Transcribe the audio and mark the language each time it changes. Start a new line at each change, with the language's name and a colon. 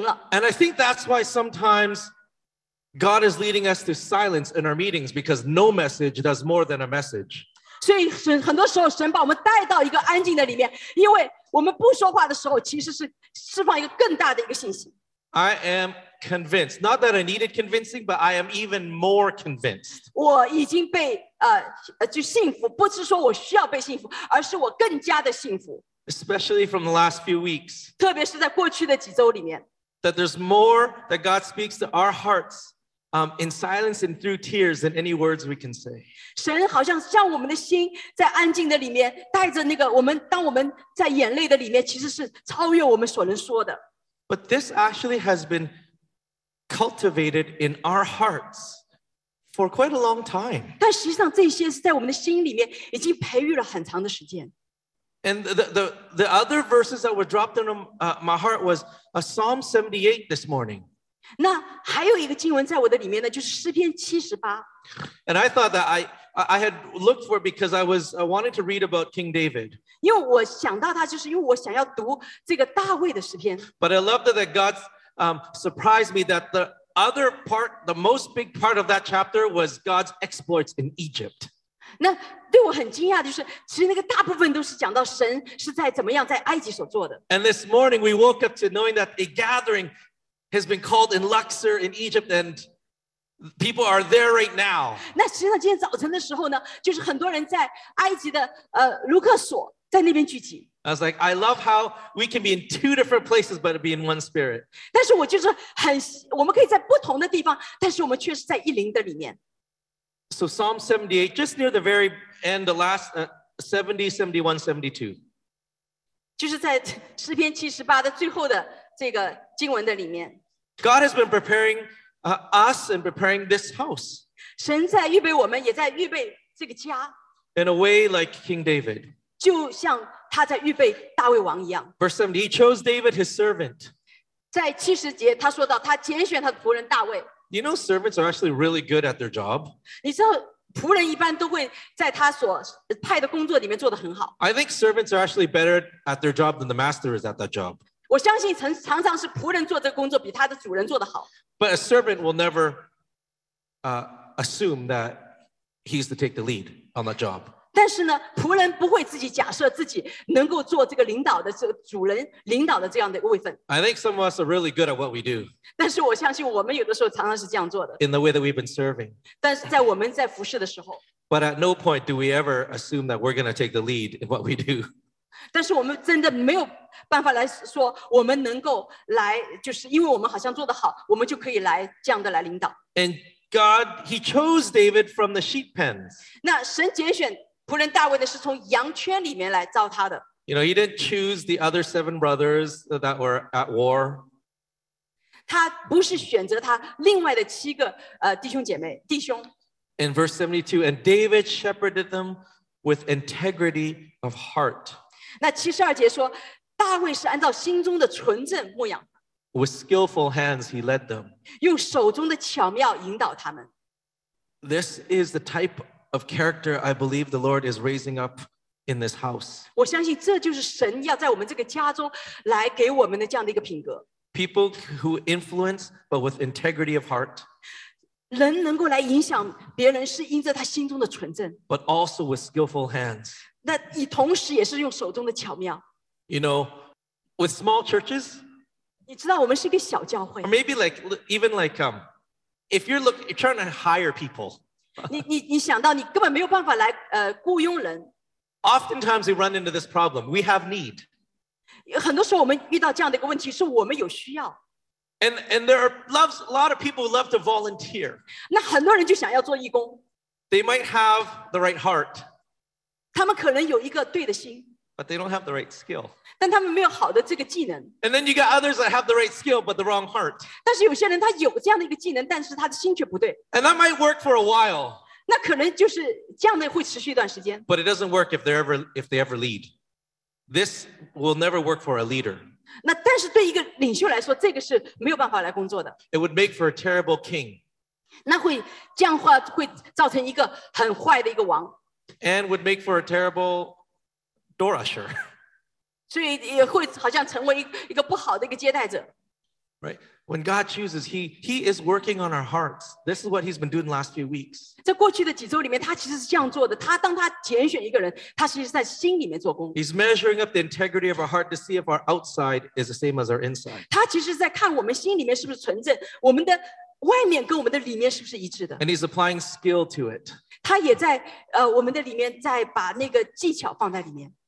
English: And I think that's why sometimes God is leading us to silence in our meetings, because no message does more than a message.
Chinese: 所以很多时候神把我们带到一个安静的里面，因为我们不说话的时候，其实是释放一个更大的一个信息。
English: I am convinced, not that I needed convincing, but I am even more convinced.
Chinese: 我已经被就幸福，不是说我需要被幸福，而是我更加的幸福。
English: Especially from the last few weeks.
Chinese: 特别是在过去的几周里面,
English: that there's more that God speaks to our hearts in silence and through tears than any words we can say.
Chinese: 神好像像我们的心在安静的里面带着那个我们当我们在眼泪的里面其实是超越我们所能说的。
English: But this actually has been cultivated in our hearts for quite a long time.
Chinese: 但实际上这些是在我们的心里面已经培育了很长的时间。
English: And the other verses that were dropped in my heart was a Psalm 78 this morning.
Chinese: 那还有一个经文在我的里面呢，就是诗篇七十八。
English: And I thought that I had looked for it because I was wanting to read about King David.
Chinese: 因为我想到他，就是因为我想要读这个大卫的诗篇。
English: But I loved that God surprised me that the other part, the most big part of that chapter was God's exploits in Egypt.
Chinese: 那对我很惊讶的就是，其实那个大部分都是讲到神是在怎么样在埃及所做的。
English: And this morning we woke up to knowing that a gathering has been called in Luxor in Egypt and people are there right now.
Chinese: 那实际上今天早晨的时候呢，就是很多人在埃及的卢克索在那边聚集。
English: I was like, I love how we can be in two different places, but be in one spirit.
Chinese: 但是我就是很，我们可以在不同的地方，但是我们却是在一灵的里面。
English: So Psalm 78, just near the very end, the last 70, 71, 72.
Chinese: 就是在诗篇七十八的最后的这个经文的里面。
English: God has been preparing us and preparing this house.
Chinese: 神在预备我们，也在预备这个家。
English: In a way like King David.
Chinese: 就像他在预备大卫王一样。
English: Verse 70, he chose David his servant.
Chinese: 在七十节，他说到他拣选他的仆人大卫。
English: You know, servants are actually really good at their job.
Chinese: 你知道仆人一般都会在他所派的工作里面做得很好。
English: I think servants are actually better at their job than the master is at that job.
Chinese: 我相信常常是仆人做这个工作比他的主人做得好。
English: But a servant will never assume that he's to take the lead on that job.
Chinese: 但是呢，仆人不会自己假设自己能够做这个领导的这个主人领导的这样的位分。
English: I think some of us are really good at what we do.
Chinese: 但是我相信我们有的时候常常是这样做的。
English: In the way that we've been serving.
Chinese: 但是在我们在服侍的时候。
English: But at no point do we ever assume that we're going to take the lead in what we do.
Chinese: 但是我们真的没有办法来说我们能够来，就是因为我们好像做得好，我们就可以来这样的来领导。
English: And God, He chose David from the sheep pens.
Chinese: 那神拣选仆人大卫的是从羊圈里面来造他的。
English: You know, he didn't choose the other seven brothers that were at war.
Chinese: 他不是选择他另外的七个弟兄姐妹弟兄。
English: In verse 72, and David shepherded them with integrity of heart.
Chinese: 那七十二节说，大卫是按照心中的纯正牧养。
English: With skillful hands, he led them.
Chinese: 用手中的巧妙引导他们。
English: This is the type of character I believe the Lord is raising up in this house.
Chinese: 我相信这就是神要在我们这个家中来给我们的这样的一个品格。
English: People who influence but with integrity of heart.
Chinese: 人能够来影响别人是因着他心中的纯正。
English: But also with skillful hands.
Chinese: 那也同时也是用手中的巧妙。
English: You know, with small churches.
Chinese: 你知道我们是一个小教会。
English: Or maybe like, even like, if you're looking, you're trying to hire people.
Chinese: 你想到你根本没有办法来雇佣人。
English: Oftentimes we run into this problem. We have need.
Chinese: 很多时候我们遇到这样的一个问题是我们有需要。
English: And there are a lot of people who love to volunteer.
Chinese: 那很多人就想要做义工。
English: They might have the right heart.
Chinese: 他们可能有一个对的心。
English: But they don't have the right skill.
Chinese: 但他们没有好的这个技能。
English: And then you got others that have the right skill, but the wrong heart.
Chinese: 但是有些人他有这样的一个技能，但是他的心却不对。
English: And that might work for a while.
Chinese: 那可能就是这样的会持续一段时间。
English: But it doesn't work if they ever lead. This will never work for a leader.
Chinese: 那但是对一个领袖来说，这个是没有办法来工作的。
English: It would make for a terrible king.
Chinese: 那会这样话会造成一个很坏的一个王。
English: And would make for a terrible door usher.
Chinese: 所以也会好像成为一个不好的一个接待者。
English: Right. When God chooses, he is working on our hearts. This is what he's been doing the last few weeks.
Chinese: 在过去的几周里面他其实是这样做的。他当他拣选一个人他其实在心里面做工。
English: He's measuring up the integrity of our heart to see if our outside is the same as our inside.
Chinese: 他其实在看我们心里面是不是纯正我们的外面跟我们的里面是不是一致的。
English: And he's applying skill to it.
Chinese: 他也在我们的里面在把那个技巧放在里面。